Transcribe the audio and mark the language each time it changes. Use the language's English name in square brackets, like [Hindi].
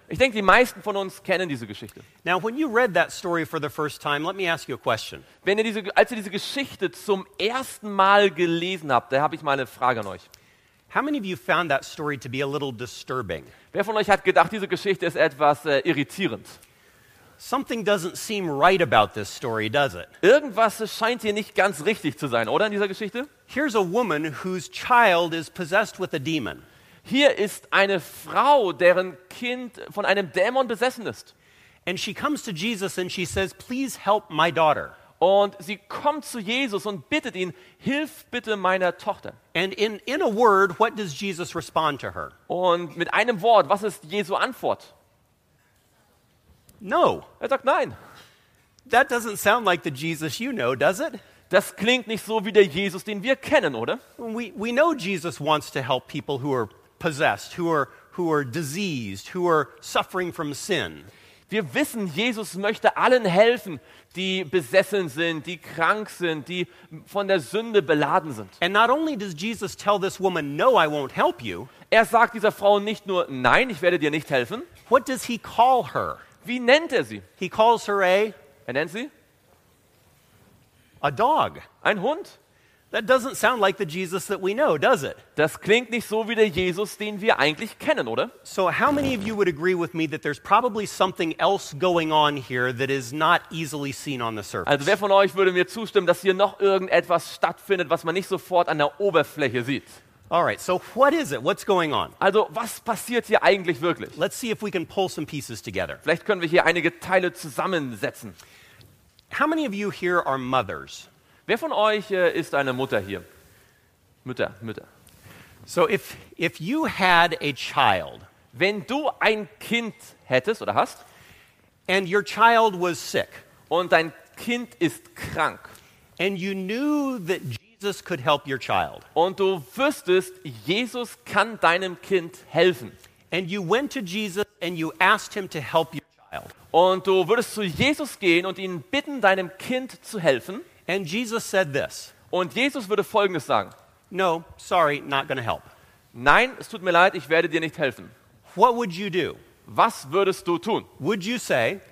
[German] Ich denke, die meisten von uns kennen diese Geschichte. [English] Now, when you read that story for the first time, let me ask you a question. [German] Wenn ihr diese, als ihr diese Geschichte zum ersten Mal gelesen habt, da habe ich mal eine Frage an euch. [English] How many of you found that story to be a little disturbing? [German] Wer von euch hat gedacht, diese Geschichte ist etwas irritierend? [English] Something doesn't seem right about this story, does it? [German] Irgendwas scheint hier nicht ganz richtig zu sein, oder, in dieser Geschichte? [English] Here's a woman whose child is possessed with a demon. [German] Hier ist eine Frau, deren Kind von einem Dämon besessen ist. [English] And she comes to Jesus and she says, "Please help my daughter." [German] Und sie kommt zu Jesus und bittet ihn: "Hilf bitte meiner Tochter." [English] And in a word, what does Jesus respond to her? [German] Und mit einem Wort, was ist Jesu Antwort? [English] No. [German] Er sagt nein. [English] That doesn't sound like the Jesus you know, does it? [German] Das klingt nicht so wie der Jesus, den wir kennen, oder? [English] We know Jesus wants to help people who are possessed, who are diseased, who are suffering from sin. [German] Wir wissen, Jesus möchte allen helfen, die besessen sind, die krank sind, die von der Sünde beladen sind. [English] And not only does Jesus tell this woman, "No, I won't help you." [German] Er sagt dieser Frau nicht nur nein, ich werde dir nicht helfen. [English] What does he call her? [German] Wie nennt er sie? [English] He calls her a. [German] Er nennt sie? [English] A dog. [German] Ein Hund. [English] That doesn't sound like the Jesus that we know, does it? [German] Das klingt nicht so wie der Jesus, den wir eigentlich kennen, oder? [English] So how many of you would agree with me that there's probably something else going on here that is not easily seen on the surface? [German] Also wer von euch würde mir zustimmen, dass hier noch irgendetwas stattfindet, was man nicht sofort an der Oberfläche sieht? [English] All right, so what is it? What's going on? [German] Also, was passiert hier eigentlich wirklich? [English] Let's see if we can pull some pieces together. [German] Vielleicht können wir hier einige Teile zusammensetzen. [English] How many of you here are mothers? [German] Wer von euch ist eine Mutter hier? Mütter, Mütter. [English] So if you had a child, [German] wenn du ein Kind hättest oder hast, [English] and your child was sick, [German] und dein Kind ist krank, [English] and you knew that Jesus could help your child. [German] Und du wüsstest, Jesus kann deinem Kind helfen. [English] And you went to Jesus and you asked him to help your child. [German] Und du würdest zu Jesus gehen und ihn bitten, deinem Kind zu helfen. [English] And Jesus said this. [German] Und Jesus würde Folgendes sagen. [English] No, sorry, not going to help. [German] Nein, es tut mir leid, ich werde dir nicht helfen. [English] What would you do? [German] Was würdest du tun? [English] Would you say?